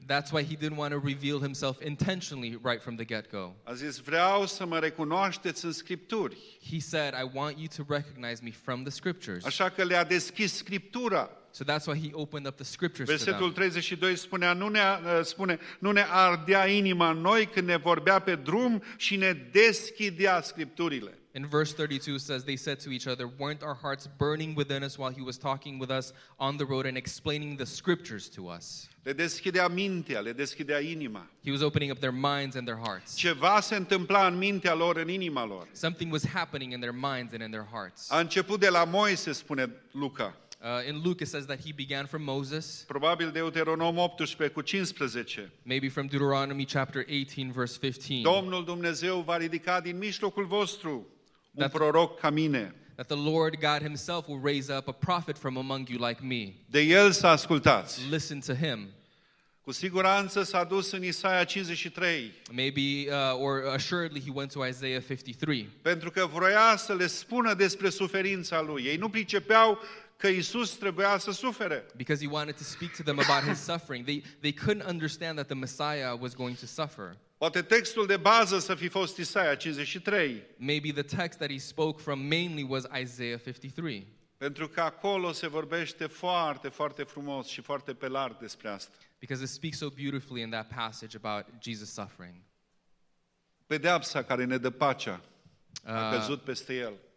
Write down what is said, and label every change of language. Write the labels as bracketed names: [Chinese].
[English] That's why he didn't want to reveal himself intentionally right from the get-go. [Romanian] A zis, vreau să mă recunoașteți în scripturi. [English] He said, I want you to recognize me from the scriptures. [Romanian] Așa că le-a deschis scriptura. [English] So that's why he opened up the scriptures. [Romanian] Versetul 32 spune, nu ne ardea inima noi când ne vorbea pe drum și ne deschidea scripturile. [English] In verse 32 says, they said to each other, weren't our hearts burning within us while he was talking with us on the road and explaining the scriptures to us? [Romanian] Le deschidea mintea, le deschidea inima. [English] He was opening up their minds and their hearts. [Romanian] Ceva se întâmpla în mintea lor, în inima lor. [English] Something was happening in their minds and in their hearts. [Romanian] A început de la Moise, spune Luca. [English] In Luke it says that he began from Moses. [Romanian] Probabil Deuteronom 18 cu 15. [English] Maybe from Deuteronomy chapter 18 verse 15. [Romanian] Domnul Dumnezeu va ridica din mijlocul vostru un proroc ca mine. [English] That the Lord God himself will raise up a prophet from among you like me. [Romanian] De el să ascultați. [English] Listen to him. [Romanian] Cu siguranță s-a dus în Isaia 53. [English] Maybe or assuredly he went to Isaiah 53. [Romanian] Pentru că vroia să le spună despre suferința lui. Ei nu pricepeau că Iisus trebuia să sufere. [English] Because he wanted to speak to them about his suffering. They couldn't understand that the Messiah was going to suffer. [Romanian] Poate textul de bază să fi fost Isaia 53. [English] Maybe the text that he spoke from mainly was Isaiah 53. [Romanian] Pentru că acolo se vorbește foarte, foarte frumos și foarte pe larg despre asta. [English] Because it speaks so beautifully in that passage about Jesus suffering. [Romanian] Pedeapsa care ne dă pacea a căzut peste el.